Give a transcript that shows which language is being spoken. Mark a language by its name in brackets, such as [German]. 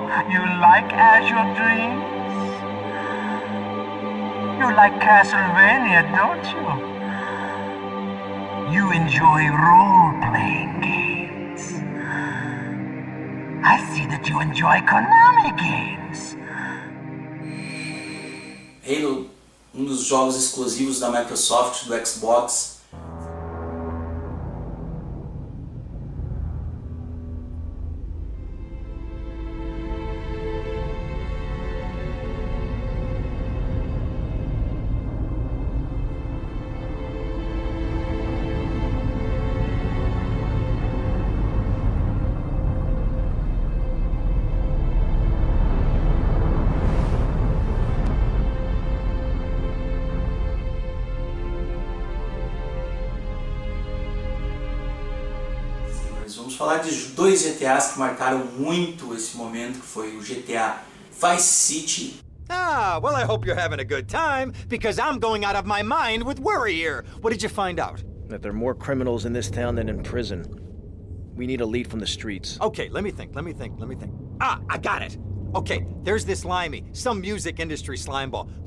[English] You like Azure Dreams? You like Castlevania, don't you? You enjoy role-playing games. I see that you enjoy Konami games. [Portuguese] Halo, um dos jogos exclusivos da Microsoft do Xbox. Vamos falar de dois GTAs que marcaram muito esse momento, que foi o GTA Vice City. [English] Ah, well, I hope you're having a good time, because I'm going out of my mind with worry here. What did you find out? That there are more criminals in this town than in prison. We need a lead from the streets. Okay, let me think. Ah, I got it. Okay, there's this Limey, some music industry slimeball.